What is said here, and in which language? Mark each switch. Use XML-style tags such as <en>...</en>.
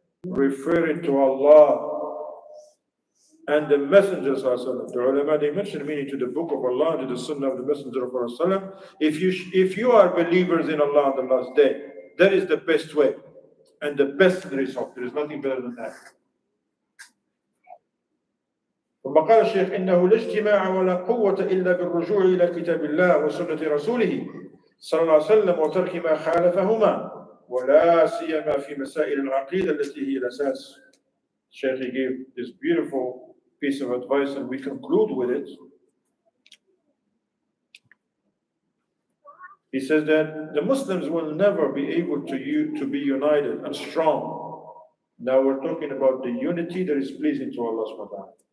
<en>referring to Allah and the messengers. The ulama, they mentioned meaning to the book of Allah and to the sunnah of the messenger of Allah. If you are believers in Allah on the last day, that is the best way and the best result. There is nothing better than that.</en> <ar>وقال الشيخ إنه لا اجتماع ولا قوة إلا بالرجوع إلى كتاب الله وسنة رسوله صلى الله عليه وسلم وترك ما خالفهما ولا سيما في مسائل العقيدة التي هي الأساس.</ar> <en>الشيخ gave this beautiful piece of advice and we conclude with it. He says that the Muslims will never be able to be united and strong. Now we're talking about the unity that is pleasing to Allah SWT.</en>